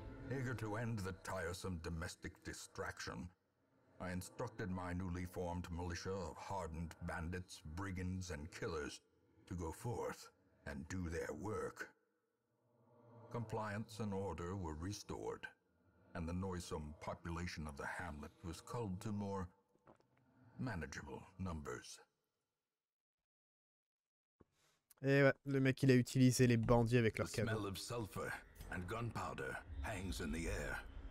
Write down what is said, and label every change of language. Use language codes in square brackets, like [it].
[en] Eager to end the tiresome domestic distraction, I instructed my newly formed militia of hardened bandits, brigands, and killers to go forth and do their work. Compliance and order were restored, and the noisome population of the hamlet was culled to more manageable numbers. [fr] Et ouais, le mec, il a utilisé les bandits avec leurs [en] canons. The smell of sulfur and gunpowder hangs in the air.